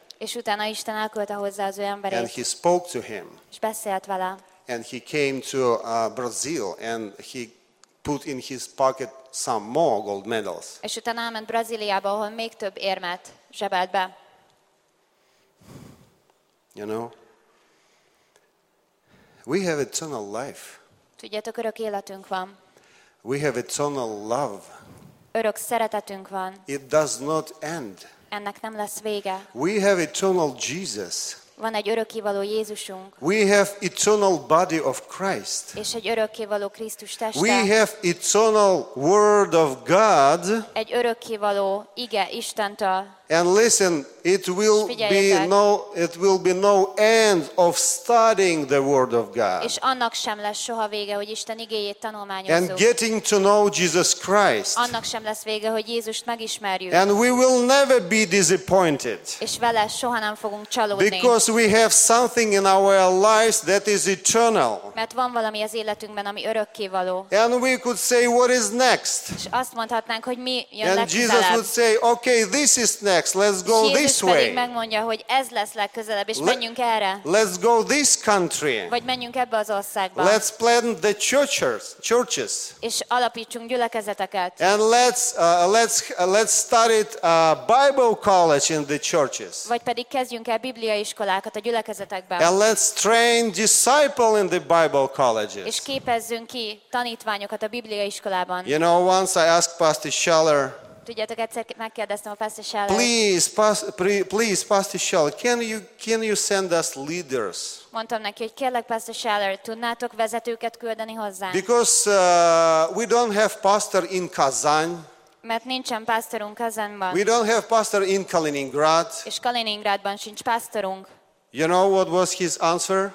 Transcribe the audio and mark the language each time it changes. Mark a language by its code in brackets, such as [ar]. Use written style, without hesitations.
[hu] És utána Isten elküldte hozzá az ő emberét. [en] And he spoke to him. [hu] És beszélt vele. [en] And he came to Brazil and he put in his pocket some more gold medals. [hu] És utána elment Brazíliába, ahol még több érmet zsebelt be. [en] You know, we have eternal life. [hu] Tudjátok, örök életünk van. [en] We have eternal love. [hu] Örök szeretetünk van. [en] It does not end. [hu] Ennek nem lesz vége. [en] We have eternal Jesus. [hu] Van egy örökkévaló Jézusunk. [en] We have eternal body of Christ. [hu] És egy örökkévaló Krisztus teste. [en] We have eternal word of God. [hu] Egy örökkévaló ige Istentől. [en] And listen, it will be no end of studying the word of God. [hu] És annak sem lesz soha vége, hogy Isten igéjét tanulmányozzuk. [en] And getting to know Jesus Christ. [hu] Annak sem lesz vége, hogy Jézust megismerjük. [en] And we will never be disappointed. [hu] És vele soha nem fogunk csalódni. [en] Because we have something in our lives that is eternal. [hu] Mert van valami az életünkben, ami örökkévaló. [en] And we could say, what is next? [hu] És azt mondhatnánk, hogy mi jön legközelebb. [en] And Jesus would say, okay, this is next. text. Let's go this way. [hu] Jézus pedig megmondja, hogy ez lesz legközelebb, és menjünk erre. [en] Let's go this country. [hu] Vagy menjünk ebbe az országba. [en] Let's plant the churches. [hu] És alapítsunk gyülekezeteket. [en] And let's start a Bible college in the churches. [hu] Vagy pedig kezdjünk el bibliaiskolákat a gyülekezetekben. [en] And let's train disciples in the Bible colleges. [hu] És képezzünk ki tanítványokat a bibliaiskolában. [en] You know, once I asked Pastor Scheller. [hu] Tudjátok, egyszer megkérdeztem a Pastor Scheller. [en] Please, Pastor Scheller, can you send us leaders? [hu] Mondtam neki, hogy kérlek, Pastor Scheller, tudnátok vezetőket küldeni hozzá? [en] Because we don't have pastor in Kazan. [hu] Mert nincsen pastorunk Kazanban. [en] We don't have pastor in Kaliningrad. [hu] És Kaliningradban sincs pastorunk. [en] You know what was his answer?